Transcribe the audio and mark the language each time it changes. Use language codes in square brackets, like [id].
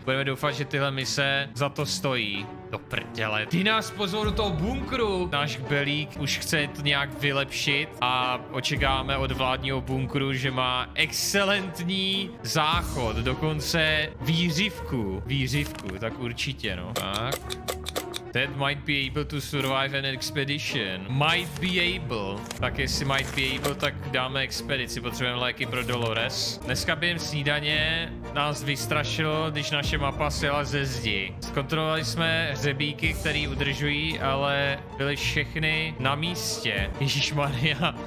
[cs] Budeme doufat, že tyhle mise za to stojí. Do prdele. Ty nás pozval do toho bunkru. Náš kbelík už chce to nějak vylepšit a očekáváme od vládního bunkru, že má excelentní záchod, dokonce výřivku. Výřivku, tak určitě, no. Tak. [en] That might be able to survive an expedition. Might be able. [cs] Tak jestli [en] might be able, [cs] tak dáme expedici. Potřebujeme léky pro Dolores. Dneska během snídaně nás vystrašilo, když naše mapa sjela ze zdi. Zkontrolovali jsme hřebíky, které udržují, ale byly všechny na místě. Ježišmarja.